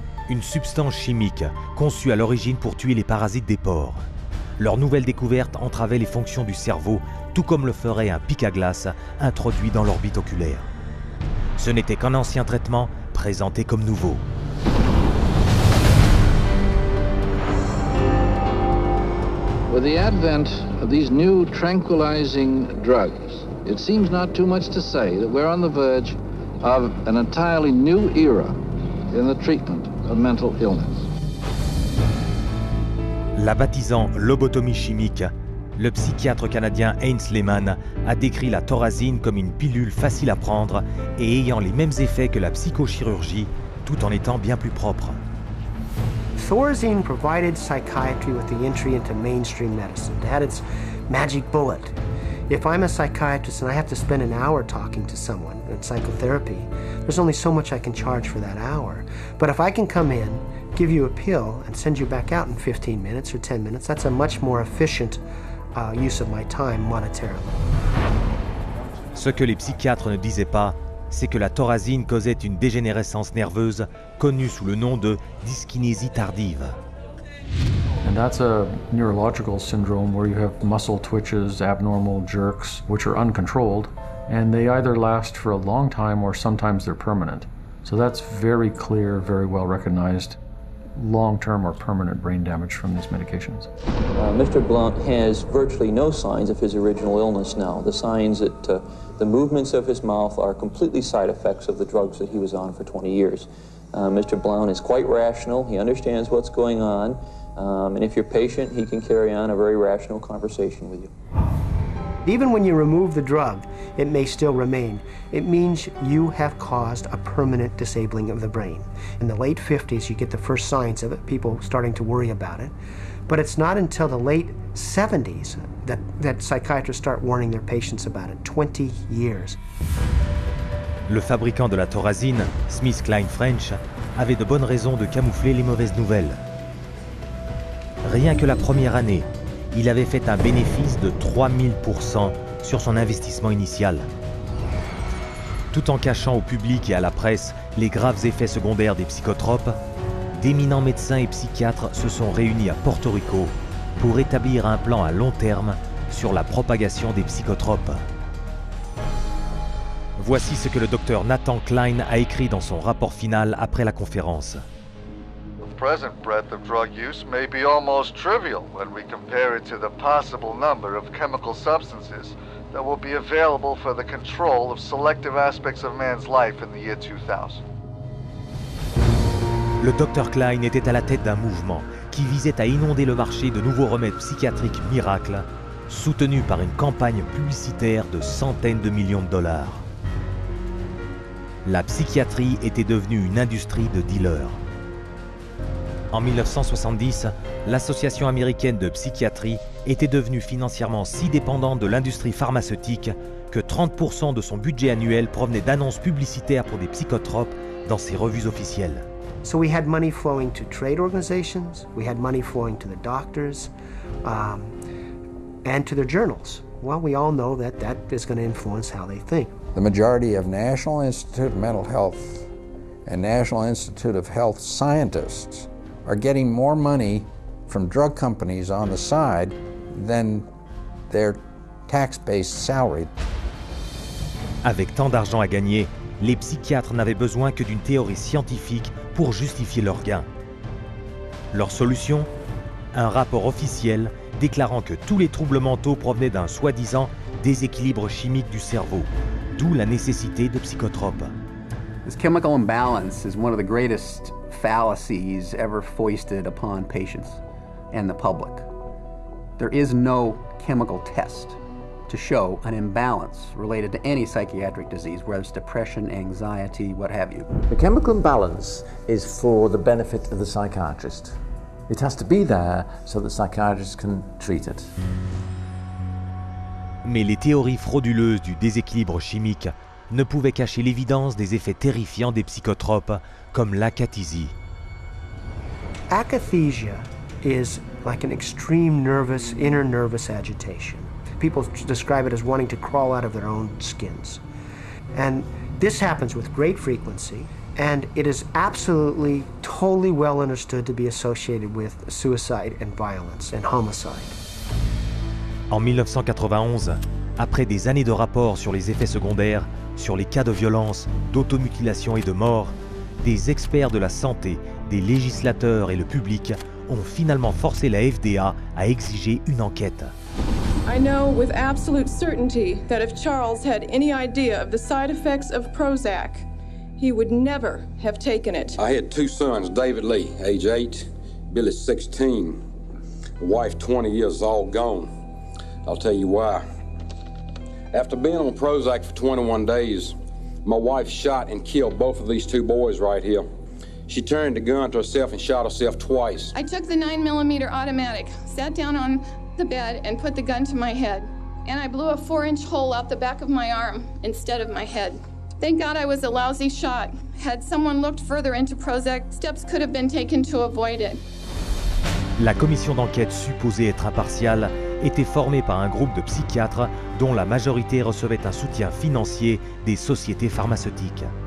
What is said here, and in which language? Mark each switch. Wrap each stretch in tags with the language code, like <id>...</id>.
<fr>Une substance chimique conçue à l'origine pour tuer les parasites des porcs. Leur nouvelle découverte entravait les fonctions du cerveau, tout comme le ferait un pic à glace introduit dans l'orbite oculaire. Ce n'était qu'un ancien traitement présenté comme nouveau.</fr> <en>With the advent of these new tranquilizing drugs, it seems not too much to say that we're on the verge of an entirely new era in the treatment of mental illness.</en> <fr>La baptisant lobotomie chimique, le psychiatre canadien Heinz Lehmann a décrit la thorazine comme une pilule facile à prendre et ayant les mêmes effets que la psychochirurgie, tout en étant bien plus propre.</fr> <en>Thorazine provided psychiatry with the entry into mainstream medicine. It had its magic bullet. If I'm a psychiatrist and I have to spend an hour talking to someone in psychotherapy, there's only so much I can charge for that hour. But if I can come in, give you a pill, and send you back out in 15 minutes or 10 minutes, that's a much more efficient use of my time monetarily.</en> <fr>Ce que les psychiatres ne disaient pas, c'est que la thorazine causait une dégénérescence nerveuse connue sous le nom de dyskinésie tardive.</fr> <en>And that's a neurological syndrome where you have muscle twitches, abnormal jerks, which are uncontrolled, and they either last for a long time or sometimes they're permanent. So that's very clear, very well recognized, long-term or permanent brain damage from these medications. Mr. Blount has virtually no signs of his original illness now. The signs that the movements of his mouth are completely side effects of the drugs that he was on for 20 years. Mr. Blount is quite rational. He understands what's going on. And if you're patient, he can carry on a very rational conversation with you. Even when you remove the drug, it may still remain. It means you have caused a permanent disabling of the brain. In the late 50s, you get the first signs of it, people starting to worry about it. But it's not until the late 70s that psychiatrists start warning their patients about it, 20 years.</en> <fr>Le fabricant de la thorazine, Smith Kline French, avait de bonnes raisons de camoufler les mauvaises nouvelles. Rien que la première année, il avait fait un bénéfice de 3000% sur son investissement initial. Tout en cachant au public et à la presse les graves effets secondaires des psychotropes, d'éminents médecins et psychiatres se sont réunis à Porto Rico pour établir un plan à long terme sur la propagation des psychotropes. Voici ce que le docteur Nathan Kline a écrit dans son rapport final après la conférence.</fr> <en>The present breadth of drug use may be almost trivial when we compare it to the possible number of chemical substances that will be available for the control of selective aspects of man's life in the year 2000.</en> <fr>Le Dr. Kline était à la tête d'un mouvement qui visait à inonder le marché de nouveaux remèdes psychiatriques miracles, soutenu par une campagne publicitaire de centaines de millions de dollars. La psychiatrie était devenue une industrie de dealers. En 1970, l'Association américaine de psychiatrie était devenue financièrement si dépendante de l'industrie pharmaceutique que 30% de son budget annuel provenait d'annonces publicitaires pour des psychotropes dans ses revues officielles.</fr> <en>So we had money flowing to trade organizations, we had money flowing to the doctors, and to their journals. Well, we all know that that is going to influence how they think. The majority of National Institute of Mental Health and National Institute of Health scientists are getting more money from drug companies on the side than their tax-based salary.</en> <fr>Avec tant d'argent à gagner, les psychiatres n'avaient besoin que d'une théorie scientifique pour justifier leurs gains. Leur solution? Un rapport officiel déclarant que tous les troubles mentaux provenaient d'un soi-disant déséquilibre chimique du cerveau, d'où la nécessité de psychotropes.</fr> <en>This chemical imbalance is one of the greatest fallacies ever foisted upon patients and the public. There is no chemical test to show an imbalance related to any psychiatric disease, whether it's depression, anxiety, what have you. The chemical imbalance is for the benefit of the psychiatrist. It has to be there so the psychiatrist can treat it.</en> <fr>Mais les théories frauduleuses du déséquilibre chimique ne pouvaient cacher l'évidence des effets terrifiants des psychotropes comme l'akathisie.</fr> <en>Akathisia is like an extreme nervous, inner nervous agitation. People describe it as wanting to crawl out of their own skins. And this happens with great frequency, and it is absolutely, totally well understood to be associated with suicide and violence and homicide.</en> <fr>En 1991, après des années de rapports sur les effets secondaires, sur les cas de violence, d'automutilation et de mort, des experts de la santé, des législateurs et le public ont finalement forcé la FDA à exiger une enquête.</fr> <en>I know with absolute certainty that if Charles had any idea of the side effects of Prozac, he would never have taken it. I had two sons, David Lee, age 8, Billy 16, wife 20 years old, gone. I'll tell you why. After being on Prozac for 21 days, my wife shot and killed both of these two boys right here. She turned the gun to herself and shot herself twice. I took the 9mm automatic, sat down on the bed and put the gun to my head. And I blew a 4-inch hole out the back of my arm instead of my head. Thank God I was a lousy shot. Had someone looked further into Prozac, steps could have been taken to avoid it.</en> <fr>La commission d'enquête supposée être impartiale était formée par un groupe de psychiatres dont la majorité recevait un soutien financier des sociétés pharmaceutiques.</fr>